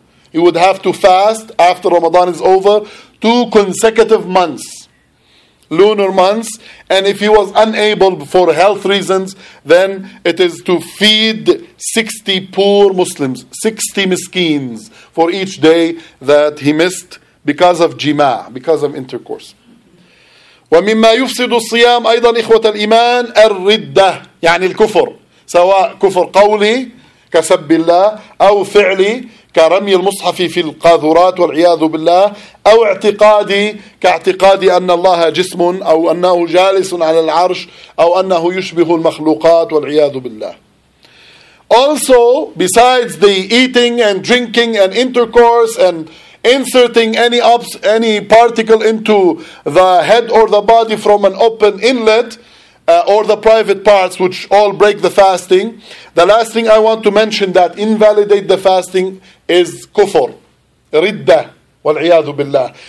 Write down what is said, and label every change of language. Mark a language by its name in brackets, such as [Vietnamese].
[English] He would have to fast after Ramadan is over two consecutive months. Lunar months, and if he was unable for health reasons, then it is to feed 60 poor Muslims, 60 miskins for each day that he missed because of jima, because of intercourse. [Arabic] وَمِمَّا يُفْسِدُ الصِّيَامُ أَيْضًا إِخْوَةَ الْإِيمَانِ الْرِدَّةِ يعني الكفر سواء كفر قولي كسب الله أو فعلي كرمي المصحف في القاذورات والعياذ بالله أو اعتقادي كاعتقادي أن الله جسم أو أنه جالس على العرش أو أنه يشبه المخلوقات والعياذ بالله. [English] Also, besides the eating and drinking and intercourse and inserting any particle into the head or the body from an open inlet or the private parts which all break the fasting, the last thing I want to mention that invalidate the fasting is kufr, ridda, wal'iyadu billah.